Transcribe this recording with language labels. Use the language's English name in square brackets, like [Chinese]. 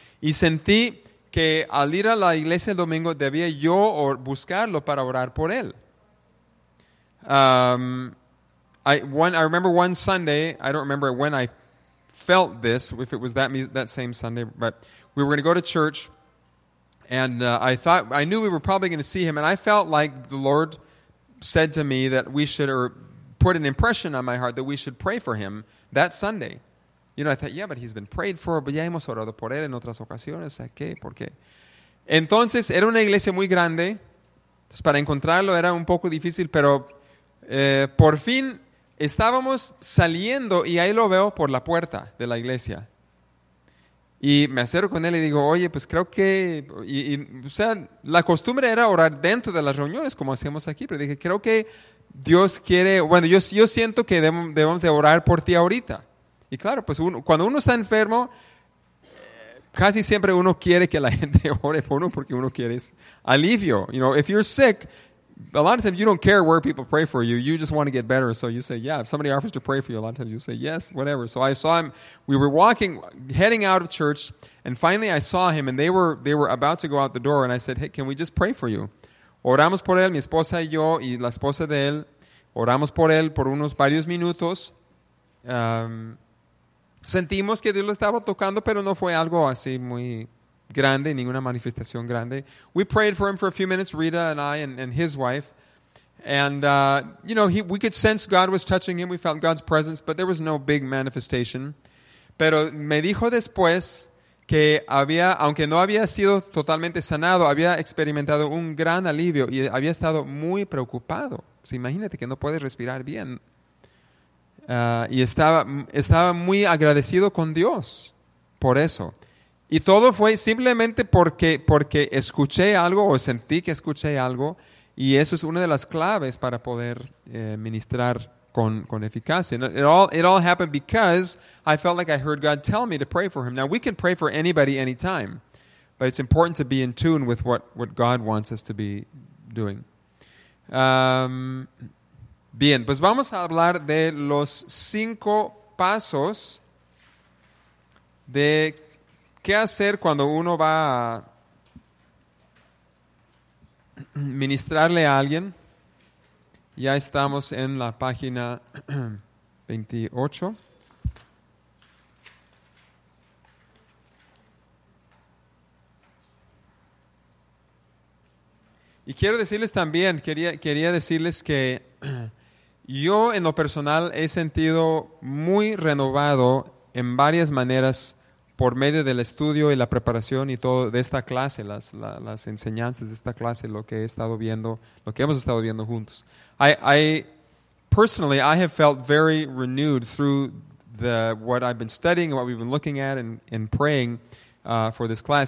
[Spanish] Y sentí que al ir a la iglesia el domingo debía yo buscarlo para orar por él. [English] I remember one Sunday, I don't remember when I felt this, if it was that same Sunday, but we were going to go to church. And I knew we were probably going to see him. And I felt like the Lord said to me that we should, or put an impression on my heart that we should pray for him that Sunday. You know, I thought, yeah, but he's been prayed for. [Spanish] But ya hemos orado por él en otras ocasiones. ¿Qué? ¿Por qué? Entonces, era una iglesia muy grande. Entonces, para encontrarlo era un poco difícil. Pero por fin estábamos saliendo y ahí lo veo por la puerta de la iglesia. Y me acerco con él y digo, oye, pues creo que... la costumbre era orar dentro de las reuniones, como hacemos aquí. Pero dije, creo que Dios quiere... Bueno, yo siento que debemos de orar por ti ahorita. Y claro, pues cuando uno está enfermo, casi siempre uno quiere que la gente ore por uno porque uno quiere alivio. [English] You know, if you're sick, a lot of times you don't care where people pray for you. You just want to get better. So you say, yeah, if somebody offers to pray for you, a lot of times you say, yes, whatever. So I saw him. We were walking, heading out of church, and finally I saw him, and they were about to go out the door, and I said, hey, can we just pray for you? [Spanish] Oramos por él, mi esposa y yo, y la esposa de él. Oramos por él por unos varios minutos. Sentimos que Dios lo estaba tocando, pero no fue algo así muy grande, ninguna manifestación grande. [English] We prayed for him for a few minutes, Rita and I and his wife. And, we could sense God was touching him. We felt God's presence, but there was no big manifestation. [Spanish] Pero me dijo después que había, aunque no había sido totalmente sanado, había experimentado un gran alivio y había estado muy preocupado. Pues imagínate que no puedes respirar bien. Y estaba muy agradecido con Dios por eso. Y todo fue simplemente porque escuché algo o sentí que escuché algo. Y eso es una de las claves para poder ministrar correctamente. con eficacia. [English] It all happened because I felt like I heard God tell me to pray for him. Now, we can pray for anybody anytime, but it's important to be in tune with what God wants us to be doing. [Spanish] Bien, pues vamos a hablar de los cinco pasos de qué hacer cuando uno va a ministrarle a alguien. Ya estamos en la página 28. Y quiero decirles también, quería decirles que yo en lo personal he sentido muy renovado en varias maneras por medio del estudio y la preparación y todo de esta clase, las enseñanzas de esta clase, lo que he estado viendo, lo que hemos estado viendo juntos. [English] I personally, I have felt very renewed through what I've been studying, what we've been looking at and praying for this class.